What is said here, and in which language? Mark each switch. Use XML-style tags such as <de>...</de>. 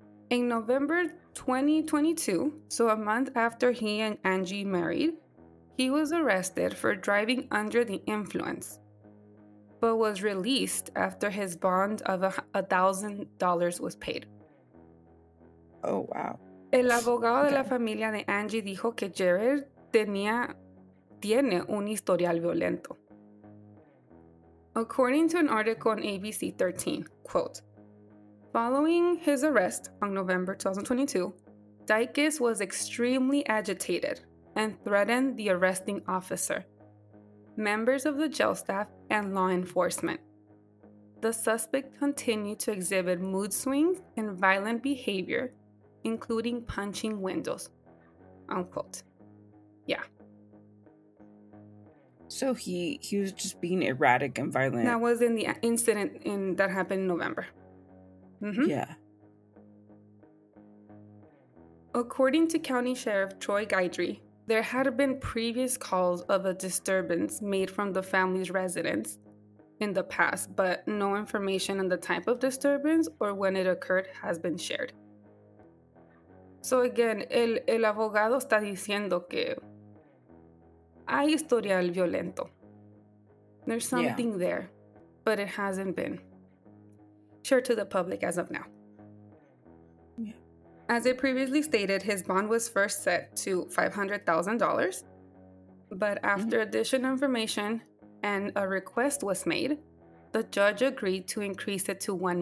<en>In November 2022, so a month after he and Anggy married, he was arrested for driving under the influence, but was released after his bond of $1,000 was paid. Oh, wow.</en> <es>El abogado de la familia de Anggy dijo que Jared tiene un historial violento.</es> <en>According to an article on ABC 13, quote, following his arrest on November 2022, Dykus was extremely agitated and threatened the arresting officer, members of the jail staff, and law enforcement. The suspect continued to exhibit mood swings and violent behavior, including punching windows, unquote. Yeah. So he was just being erratic and violent. That was in the incident that happened in November. Mm-hmm. Yeah. According to County Sheriff Troy Guidry, there had been previous calls of a disturbance made from the family's residence in the past, but no information on the type of disturbance or when it occurred has been shared. So again,</en> <es>el abogado está diciendo que hay historial violento.</es> <en>There's something there, but it hasn't been shared to the public as of now. Yeah. As I previously stated, his bond was first set to $500,000, but after additional information and a request was made, the judge agreed to increase it to $1</en>